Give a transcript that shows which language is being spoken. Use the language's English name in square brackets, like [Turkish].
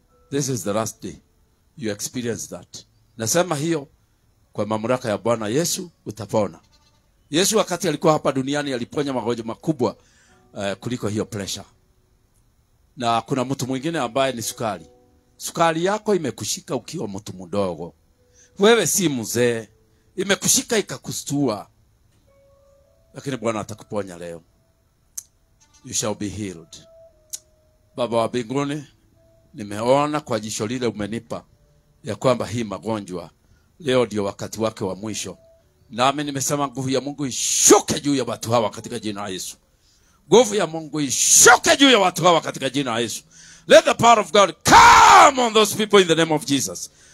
[English] This is the last day you experience that. [Swahili] Nasema hiyo kwa mamlaka ya Bwana Yesu utapona. Yesu wakati alikuwa hapa duniani aliponya magonjwa makubwa kuliko hiyo pressure. Na kuna mtu mwingine ambaye ni sukari. Sukari yako imekushika ukiwa mtu mdogo. Wewe si mzee. Imekushika ikakustua. Lakini Bwana atakuponya leo. [English] You shall be healed. [Swahili] Baba wa mbinguni, nimeona kwa jicho lile umenipa ya kwamba hii magonjwa leo ndio wakati wake wa mwisho. Nami nimesema nguvu ya Mungu ishuke juu ya watu hawa katika jina la Yesu. Nguvu ya Mungu ishuke juu ya watu hawa katika jina la Yesu. [English] Let the power of God come on those people in the name of Jesus.